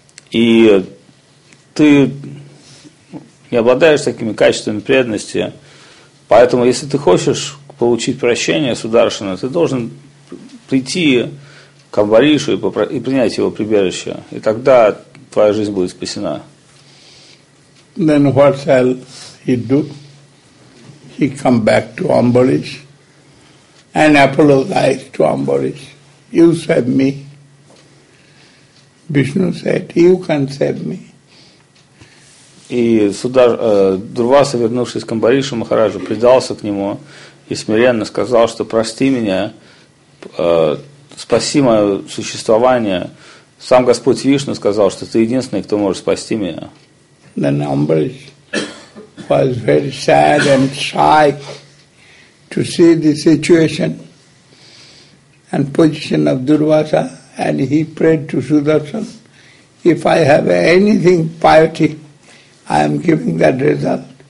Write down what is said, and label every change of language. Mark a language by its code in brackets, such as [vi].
[ru] И ты не обладаешь такими качествами преданности. Поэтому, если ты хочешь получить прощение Сударшины, ты должен прийти к Амбаришу и принять его прибежище. И тогда твоя жизнь будет спасена. [en] Then what shall he do? He come back to Ambarish and apologize to Ambarish. You save me. Vishnu said, you can save me. [ru] И Дурваса, вернувшись к Амбаришу Махараджу, предался к нему и смиренно сказал, что прости меня, спаси мое существование. Сам Господь Вишну сказал, что ты единственный, кто может спасти меня. [en] Then Amrish was very sad and shy to see the situation and position of Durvasa, and he prayed to Sudarshan, if I have anything piety, I am giving that result.